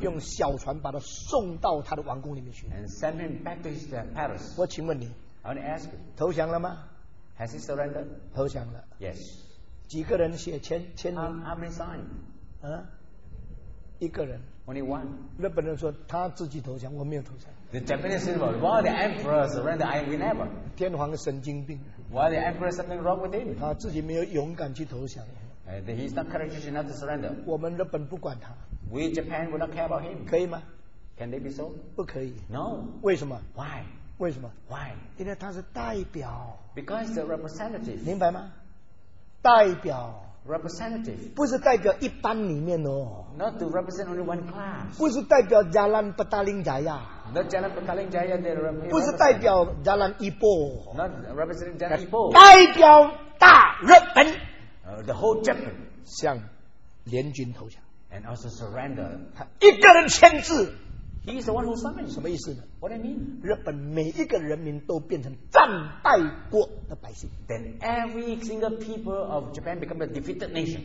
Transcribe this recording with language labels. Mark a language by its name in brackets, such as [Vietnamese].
[Chinese] 用小船把他送到他的王宫里面去 [English] and send him back to his palace [Chinese] 我请问你 [English] I want to ask you [Chinese] 投降了吗 [English] has he surrendered [Chinese] 投降了 [English] yes [Chinese] 几个人写签名 [English] how many signed [Chinese] 一个人 [English] only one [Chinese] 日本人说他自己投降我没有投降 [English] the Japanese said while the emperor surrendered I will never [Chinese] 天皇神经病 [English] while the emperor something wrong with him [Chinese] 他自己没有勇敢去投降 [English] He's not courageous enough to surrender. [Chinese] 我们日本不管他。 [English] We Japan will not care about him. [Chinese] 可以吗 [English] ？Can they be so? [Chinese] 不可以。 [English] No. [Chinese] 为什么 [English] ？Why? [Chinese] 为什么 [English] ？Why? [Chinese] 因为他是代表。 [English] Because the representative. [Chinese] 明白吗？代表。 [English] Representative. [Chinese] 不是代表一般里面哦。 [English] Not to represent only one class. [Chinese] 不是代表 Jalan Petaling Jaya. [English] Not Jalan Petaling Jaya. [Chinese] 不是代表 Jalan Ipoh. [English] Not representing Jalan Ipoh. [Chinese] 代表大日本。 [English] The whole Japan [Chinese] 向联军投降 [English] ，and also surrender. [Chinese] 他一个人签字 [English] ，he's the one who signed. [Chinese] 什么意思呢 [English] ？What do you mean? [Chinese] 日本每一个人民都变成战败国的百姓 [English] ，then every single people of Japan become a defeated nation.